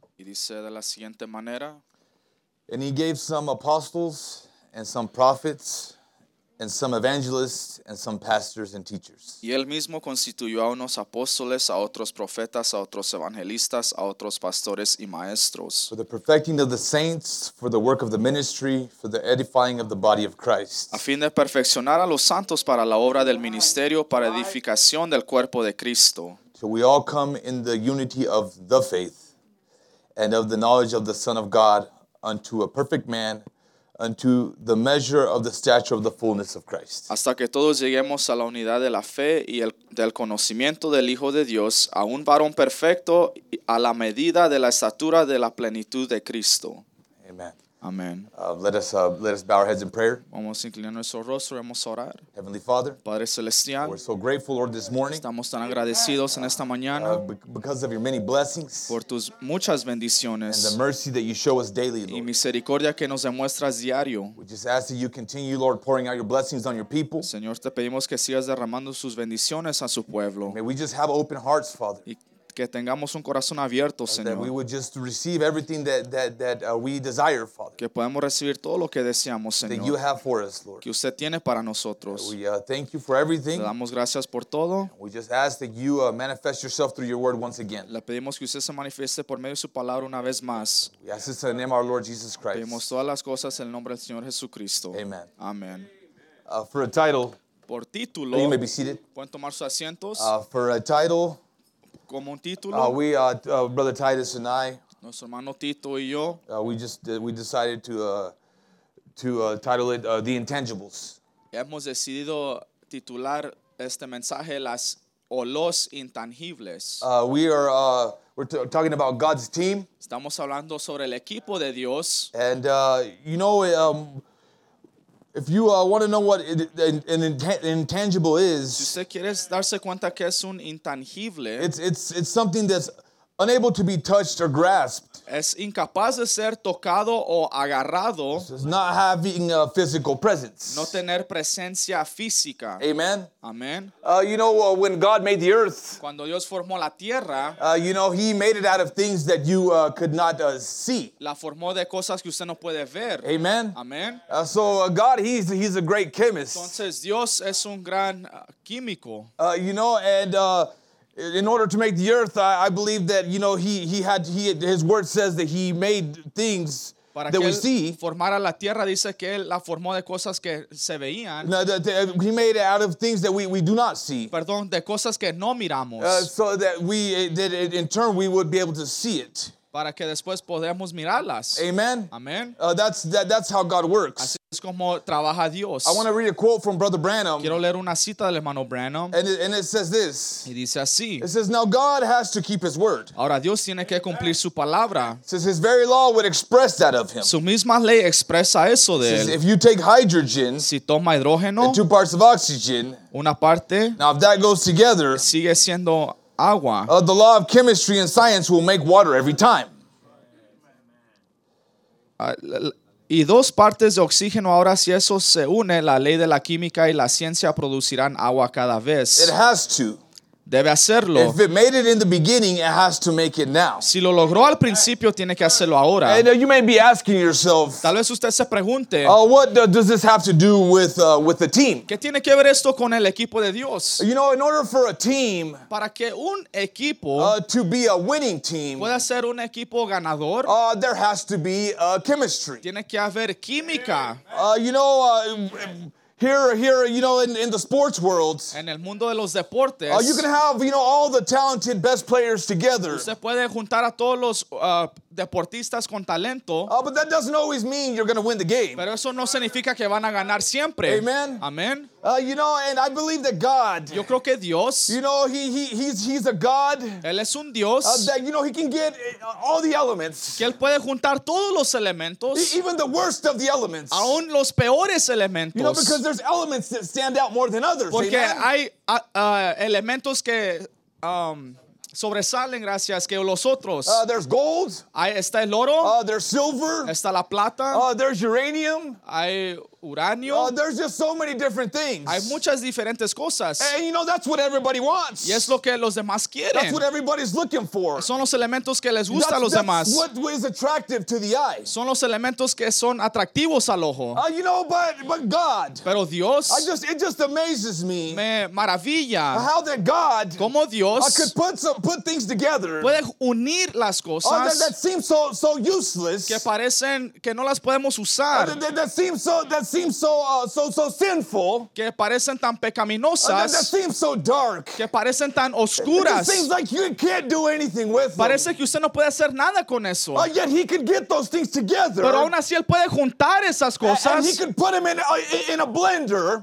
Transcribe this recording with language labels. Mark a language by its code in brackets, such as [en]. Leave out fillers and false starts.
[es] Y dice de la siguiente manera. [en] And he gave some apostles and some prophets and some evangelists and some pastors and teachers. [es] Y él mismo constituyó a unos apóstoles, a otros profetas, a otros evangelistas, a otros pastores y maestros. [en] For the perfecting of the saints, for the work of the ministry, for the edifying of the body of Christ. [es] A fin de perfeccionar a los santos para la obra del ministerio, para edificación del cuerpo de Cristo. [en] Till we all come in the unity of the faith and of the knowledge of the Son of God unto a perfect man, unto the measure of the stature of the fullness of Christ. [es] Hasta que todos lleguemos a la unidad de la fe y del conocimiento del Hijo de Dios, a un varón perfecto, a la medida de la estatura de la plenitud de Cristo. [en] Amen. [es] Amen. [en] Let us bow our heads in prayer. [es] Vamos a inclinar nuestro rostro, vamos a orar. [en] Heavenly Father, [es] Padre Celestial, [en] we're so grateful, Lord, this morning. [es] Estamos tan agradecidos en esta mañana. [en] Because of your many blessings. [es] Por tus muchas bendiciones. [en] And the mercy that you show us daily, Lord. [es] Y misericordia que nos demuestras diario. [en] We just ask that you continue, Lord, pouring out your blessings on your people. [es] Señor, te pedimos que sigas derramando sus bendiciones a su pueblo. [en] May we just have open hearts, Father. [es] que tengamos un corazón abierto, Señor. [en] That we would just receive everything that we desire, Father. [es] Que podamos recibir todo lo que deseamos, Señor. [en] That you have for us, Lord. [es] Que usted tiene para nosotros. [en] We thank you for everything. [es] Le damos gracias por todo. [en] We just ask that you manifest yourself through your word once again. [es] Le pedimos que usted se manifieste por medio de su palabra una vez más. [en] We ask this in the name of our Lord Jesus Christ. [es] Pedimos todas las cosas en el nombre del Señor Jesucristo. [en] Amen. [es] Amen. [en] For a title. [es] Por título. [en] You may be seated. [es] Pueden tomar sus asientos. [en] For a title. [es] Como un título, [en] Brother Titus and I, [es] nuestro hermano Tito y yo, [en] we decided to title it The Intangibles. [es] Hemos decidido titular este mensaje las o los intangibles. [en] We're talking about God's team. [es] Estamos hablando sobre el equipo de Dios. [en] And you know, if you want to know what an intangible is, [es] si usted quiere darse cuenta que es un intangible, [en] it's something that's unable to be touched or grasped. [es] Es incapaz de ser tocado o agarrado. [en] It's not having a physical presence. [es] No tener presencia física. [en] Amen. [es] Amen. [en] You know, when God made the earth, [es] cuando Dios formó la tierra, [en] you know, he made it out of things that you could not see. [es] La formó de cosas que usted no puede ver. [en] Amen. [es] Amen. [en] God, he's a great chemist. [es] Entonces, Dios es un gran químico. [en] You know, and in order to make the earth, I believe that, you know, he had his word says that he made things [es] para [en] that [es] que [en] we see. [es] Formara la tierra, dice que él la formó de cosas que se veían. [en] No, he made it out of things that we do not see. [es] Perdón, de cosas que no miramos. [en] So that we that in turn we would be able to see it. [es] Para que después podamos mirarlas. [en] Amen. [es] Amen. [en] That's how God works. [es] Así es como trabaja Dios. [en] I want to read a quote from Brother Branham. [es] Quiero leer una cita del hermano Branham. [en] And it says this. [es] Y dice así. [en] It says, now God has to keep his word. [es] Ahora Dios tiene que cumplir su palabra. [en] It says his very law would express that of him. [es] Su misma ley expresa eso de él. [en] If you take hydrogen. [es] Si toma hidrógeno. [en] And two parts of oxygen. [es] Una parte. [en] Now if that goes together. [es] Sigue siendo agua. [en] The law of chemistry and science will make water every time. [es] Y dos partes de oxígeno, ahora si eso se une, la ley de la química y la ciencia producirán agua cada vez. [en] It has to. [es] Debe hacerlo. [en] If it made it in the beginning, it has to make it now. [es] Si lo logró al principio, tiene que hacerlo ahora. [en] And you may be asking yourself, [es] tal vez usted se pregunte, [en] what does this have to do with the team? [es] ¿Qué tiene que ver esto con el equipo de Dios? [en] You know, in order for a team, [es] para que un equipo, [en] to be a winning team, [es] pueda ser un equipo ganador, [en] there has to be chemistry. [es] Tiene que haber química. [en] You know, Here, you know, in the sports world, [es] en el mundo de los deportes, [en] you can have, you know, all the talented best players together. [es] Se puede juntar a todos los deportistas con talento. [en] But that doesn't always mean you're going to win the game. [es] Pero eso no significa que van a ganar siempre. [en] Amen. [es] Amen. [en] You know, and I believe that God. [es] Yo creo que Dios. [en] You know, he's a God. [es] Él es un Dios. [en] That, you know, he can get all the elements. [es] Que él puede juntar todos los elementos. [en] Even the worst of the elements. [es] Aún los peores elementos. [en] You know, because there's elements that stand out more than others. [es] Porque [en] amen? [es] Hay elementos que sobresalen gracias que los otros. [en] There's gold. [es] Ahí está el oro. [en] There's silver. [es] Está la plata. [en] There's uranium. [es] Hay uranio. [en] There's just so many different things. [es] Hay muchas diferentes cosas. [en] And you know, that's what everybody wants. [es] Y es lo que los demás quieren. [en] That's what everybody's looking for. [es] Son los elementos que les gusta a los demás. [en] That's what is attractive to the eye. [es] Son los elementos que son atractivos al ojo. [en] You know, but God. [es] Pero Dios. [en] It just amazes me. [es] Me maravilla. [en] How that God. [es] Como Dios. [en] I could put things together. [es] Puede unir las cosas. [en] That seems so useless. [es] Que parecen que no las podemos usar. [en] That seems so sinful. [es] Que parecen tan pecaminosas. [en] That seems so dark. [es] Que parecen tan oscuras. [en] It seems like you can't do anything with them. [es] Parece que usted no puede hacer nada con eso. [en] Yet he could get those things together. [es] Pero aún así él puede juntar esas cosas. [en] And he could put them in a blender.